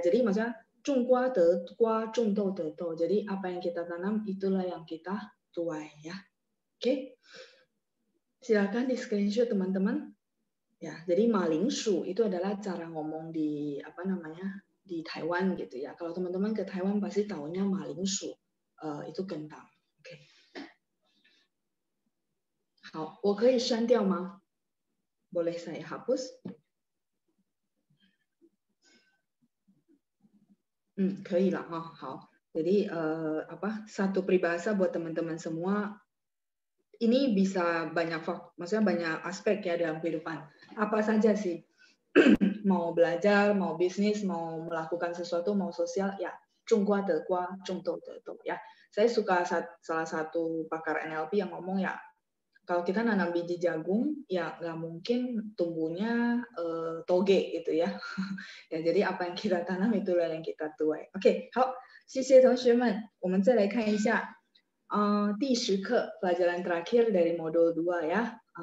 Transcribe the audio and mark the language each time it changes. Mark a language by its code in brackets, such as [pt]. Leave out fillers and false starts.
[id] Jadi maksudnya, [zh] 种瓜 得瓜, 种豆 得豆. [id] Jadi apa yang kita tanam, itulah yang kita tuai. Ya. Oke. Okay. Silakan di screenshot, teman-teman. Ya, jadi malingshu itu adalah cara ngomong di apa namanya di Taiwan gitu ya. Kalau teman-teman ke Taiwan pasti taunya malingshu, itu kentang. Oke. Okay. [zh] 好，我可以删掉吗？ [id] Boleh saya hapus? , [zh] 可以了哈。好， [id] jadi apa satu peribahasa buat teman-teman semua. Ini bisa banyak faktor, maksudnya banyak aspek ya dalam kehidupan. Apa saja sih? Mau belajar, mau bisnis, mau melakukan sesuatu, mau sosial, ya. [zh] 种瓜 得瓜, 种豆 得豆, ya. [id] Saya suka salah satu pakar NLP yang ngomong ya, kalau kita nanam biji jagung, ya nggak mungkin tumbuhnya toge gitu ya. Ya, jadi apa yang kita tanam itulah yang kita tuai. [zh] Oke, okay, 好, 谢谢同学们. 我们再来看一下. [id] 第十课, pelajaran terakhir dari modul 2 ya.